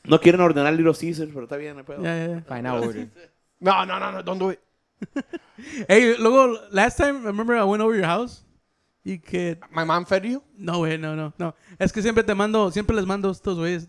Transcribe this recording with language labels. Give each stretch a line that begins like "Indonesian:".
Spanish: No quieren ordenar Little Caesars, pero está bien, no puedo.
English: Yeah. Fine, I'll order. No, don't do it. Hey, luego, last time, remember I went over your house?
Spanish: Y que...
English: My mom fed you?
Spanish: No, güey, no. Es que siempre te mando, siempre les mando estos güeyes.